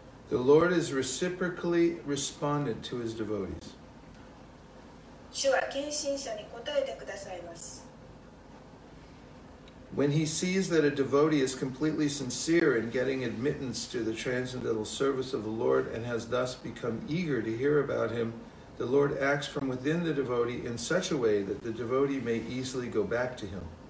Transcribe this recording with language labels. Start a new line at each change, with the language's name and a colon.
English: The Lord is reciprocally responded to his devotees.
Japanese: 主は献身者に答えてくださいます。
English: When he sees that a devotee is completely sincere in getting admittance to the transcendental service of the Lord and has thus become eager to hear about him, the Lord acts from within the devotee in such a way that the devotee may easily go back to him.